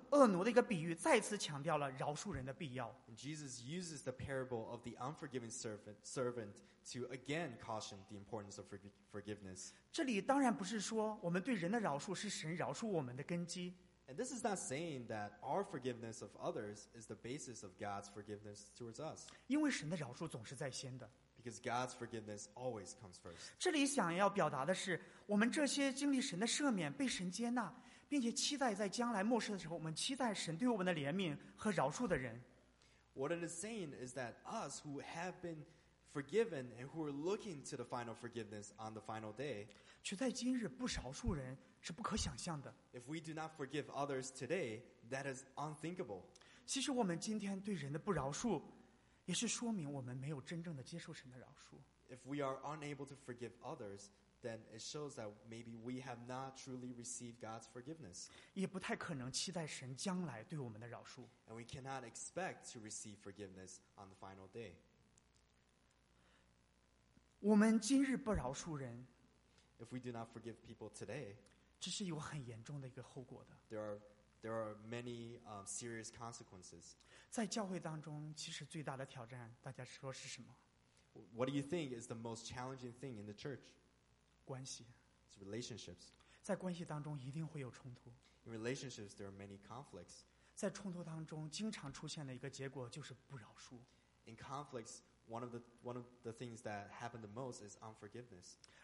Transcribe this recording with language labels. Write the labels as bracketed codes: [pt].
[zh] 耶稣在那里他使用一个不饶恕恶奴的一个比喻再次强调了饶恕人的必要。 [en] Jesus uses the parable of the unforgiving servant to again caution the importance of forgiveness. [zh] 这里当然不是说我们对人的饶恕是神饶恕我们的根基。 [en] And this is not saying that our forgiveness of others is the basis of God's forgiveness towards us. [zh] 因为神的饶恕总是在先的。 [en] Because God's forgiveness always comes first. [zh] 这里想要表达的是, 我们这些经历神的赦免,被神接纳, 并且期待在将来末世的时候, 我们期待神对我们的怜悯和饶恕的人。 [en] What it is saying is that us who have been forgiven and who are looking to the final forgiveness on the final day, [zh] 却在今日不饶恕人, [en] If we do not forgive others today, that is unthinkable. [zh] 其实我们今天对人的不饶恕, 也是说明我们没有真正的接受神的饶恕。 [en] If we are unable to forgive others, then it shows that maybe we have not truly received God's forgiveness. [zh] 也不太可能期待神将来对我们的饶恕。 [en] And we cannot expect to receive forgiveness on the final day. [zh] 我们今日不饶恕人, [en] If we do not forgive people today, [zh] 这是有很严重的一个后果的。 [en] There are many serious consequences. [zh] 在教会当中, 其实最大的挑战, 大家说是什么? [en] What do you think is the most challenging thing in the church? [zh] 关系。 [en] It's relationships. [zh] 在关系当中一定会有冲突。 [en] In relationships, there are many conflicts. [zh] 在冲突当中经常出现的一个结果就是不饶恕。 [en] In conflicts, one of the things that happen the most is unforgiveness.